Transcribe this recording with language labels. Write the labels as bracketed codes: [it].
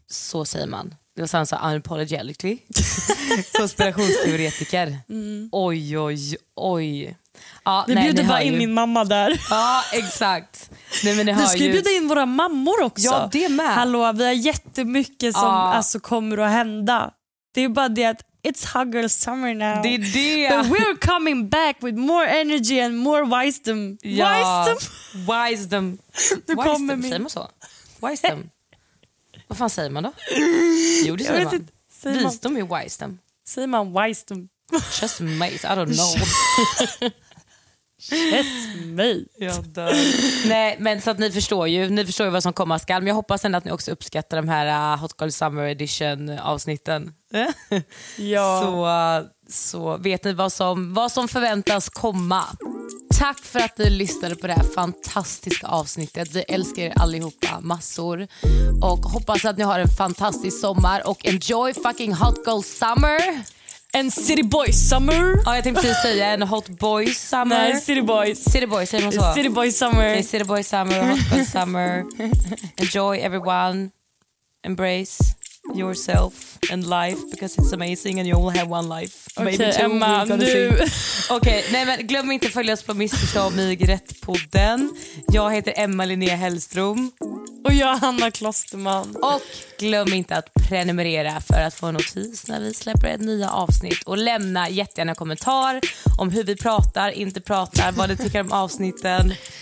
[sv] Så säger man. Det var sen så unapologetically. Konspirationsteoretiker. Mm. Oj, oj, oj. Ah, vi bjuder bara in min mamma där. Ja, ah, exakt. Nej, men vi ska ju bjuda in våra mammor också. Ja, det med. Hallå, vi har jättemycket som alltså, kommer att hända. Det är bara det att [en] it's hot girl summer now. [sv] Det är det. [en] But we're coming back with more energy and more wisdom. [sv] Ja. [en] Wisdom? Wisdom. [sv] Du [en] wisdom, [sv] kommer säger man så? Wisdom? Vad fan säger man då? Jo, det säger man. Säger visdom man. Är wisdom. Säger man wisdom? [en] Just mate, I don't know. Mate. [sv] Jag dör. Nej, men så att ni förstår ju vad som kommer skall. Men jag hoppas ändå att ni också uppskattar de här Hot Girl Summer Edition avsnitten. Ja. Så vet ni vad som förväntas komma. Tack för att ni lyssnade på det här fantastiska avsnittet. Vi älskar er allihopa massor. Och hoppas att ni har en fantastisk sommar. [en] Och enjoy fucking Hot Girl Summer. En city boy summer. [sv] Ja, jag tänkte precis säga en hot boy summer. [en] Nej, city boy. [sv] City boy, säger man så. [en] City boy summer. Okay, city boy summer, hot boy summer. Enjoy everyone. Embrace yourself and life because it's amazing and you only have one life. Okay, maybe two, Emma, nu. [sv] Okej, okay, nej men glöm inte att följa oss på Missförstånd mig rätt podden. Jag heter Emma Linnea Hellström. Och jag är Hanna Klosterman. Och glöm inte att prenumerera för att få en notis när vi släpper ett nya avsnitt. Och lämna jättegärna kommentar om hur vi pratar, inte pratar, vad du tycker om avsnitten.